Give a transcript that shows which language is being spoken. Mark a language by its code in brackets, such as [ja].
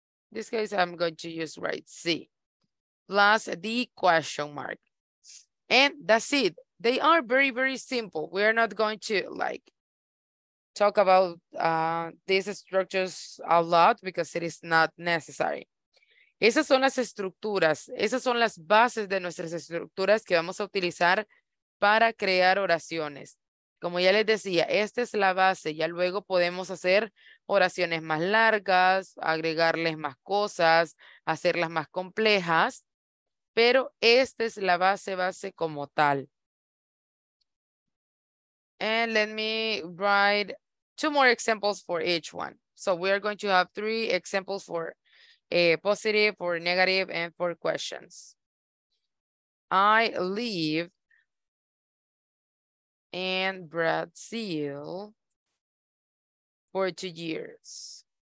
[en] In this case, I'm going to use right C plus the question mark. And that's it. They are very, very simple. We are not going to like talk about these structures a lot because it is not necessary. [es] Esas son las estructuras, esas son las bases de nuestras estructuras que vamos a utilizar para crear oraciones. Como ya les decía, esta es la base, ya luego podemos hacer oraciones más largas, agregarles más cosas, hacerlas más complejas, pero esta es la base como tal. [en] And let me write two more examples for each one. So we are going to have three examples for a positive, for negative, and for questions. I live in Brazil for 2 years.